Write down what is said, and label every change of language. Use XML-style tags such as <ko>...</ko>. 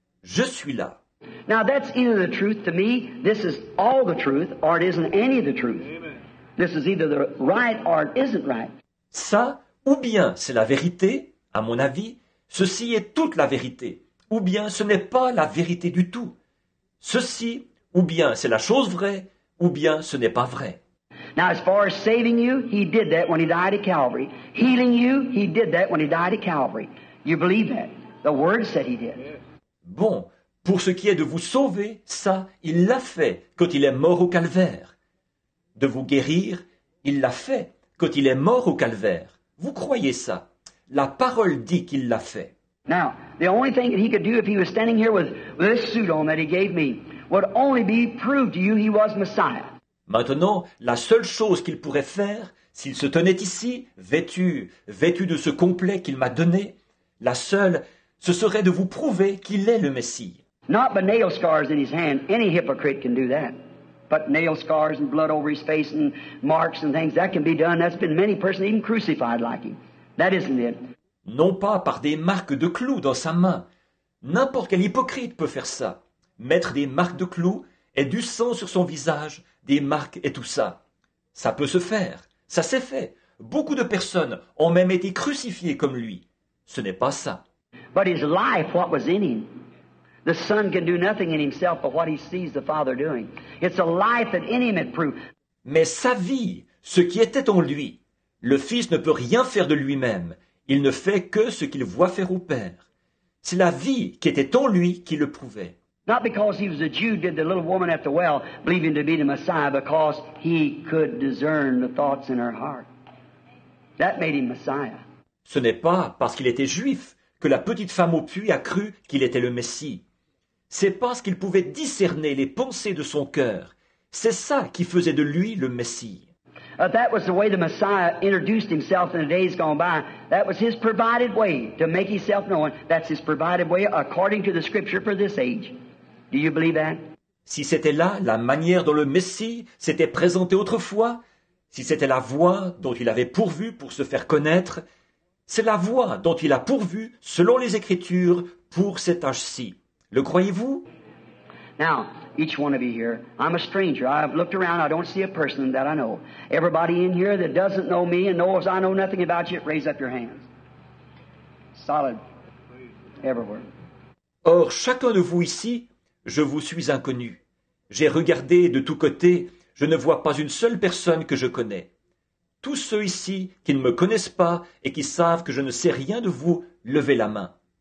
<fr>Je suis là.</fr> <en>Now that's either the truth to me, this is all the truth, or it isn't any of the truth. This is either the right or it isn't right.</en> <fr>Ça, ou bien c'est la vérité, à mon avis, ceci est toute la vérité, ou bien ce n'est pas la vérité du tout. Ceci, ou bien c'est la chose vraie, ou bien ce n'est pas vrai.</fr> <en>Now, as far as saving you, he did that when he died at Calvary. Healing you, he did that when he died at Calvary. You believe that? The word said he did.</en> <fr>Bon, pour ce qui est de vous sauver, ça, il l'a fait quand il est mort au calvaire. De vous guérir, il l'a fait quand il est mort au calvaire. Vous croyez ça? La parole dit qu'il l'a fait.</fr> <en>Now, the only thing that he could do if he was standing here with this suit on that he gave me would only be prove to you he was Messiah.</en> <fr>Maintenant, la seule chose qu'il pourrait faire, s'il se tenait ici, vêtu de ce complet qu'il m'a donné, la seule, ce serait de vous prouver qu'il est le Messie.</fr> <en>Not by nail scars in his hand, any hypocrite can do that. But nail scars and blood over his face and marks and things, that can be done. That's been many persons even crucified like him. That isn't it.</en> <fr>Non pas par des marques de clous dans sa main. N'importe quel hypocrite peut faire ça. Mettre des marques de clous et du sang sur son visage, des marques et tout ça. Ça peut se faire. Ça s'est fait. Beaucoup de personnes ont même été crucifiées comme lui. Ce n'est pas ça.</fr> <en>But his life, what was in him? The Son can do nothing in himself but what he sees the Father doing. It's a life that in him it proved.</en> <fr>Mais sa vie, ce qui était en lui, le Fils ne peut rien faire de lui-même. Il ne fait que ce qu'il voit faire au Père. C'est la vie qui était en lui qui le prouvait.</fr> <en>Not because he was a Jew did the little woman at the well believing to be the Messiah, because he could discern the thoughts in her heart. That made him Messiah.</en> <fr>Ce n'est pas parce qu'il était juif que la petite femme au puits a cru qu'il était le Messie. C'est parce qu'il pouvait discerner les pensées de son cœur. C'est ça qui faisait de lui le Messie.</fr> <en>That was the way the Messiah introduced himself in the days gone by. That was his provided way to make himself known. That's his provided way according to the scripture for this age. Do you believe that?</en> <fr>Si c'était là la manière dont le Messie s'était présenté autrefois, si c'était la voie dont il avait pourvu pour se faire connaître, c'est la voie dont il a pourvu, selon les Écritures, pour cet âge-ci. Le croyez-vous?</fr> <en>Now, each one of you here, I'm a stranger. I've looked around, I don't see a person that I know. Everybody in here that doesn't know me and knows I know nothing about you, raise up your hands. Solid. Everywhere.</en> <fr>Or, chacun de vous ici, je vous suis inconnu. J'ai regardé de tous côtés, je ne vois pas une seule personne que je connais. Tous ceux ici qui ne me connaissent pas et qui savent que je ne sais rien de vous, levez la main.</fr>